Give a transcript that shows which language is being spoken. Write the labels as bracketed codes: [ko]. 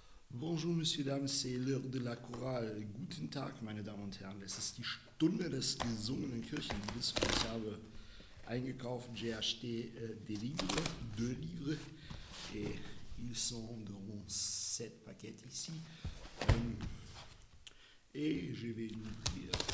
[fr] Bonjour, Monsieur, Dame, c'est l'heure de la chorale. [de] Guten Tag, meine Damen und Herren. Es ist die Stunde des gesungenen Kirchenliedes. Ich habe eingekauft, [fr] j'ai acheté deux livres, et ils sont dans 7 paquets ici. Et je vais l'ouvrir.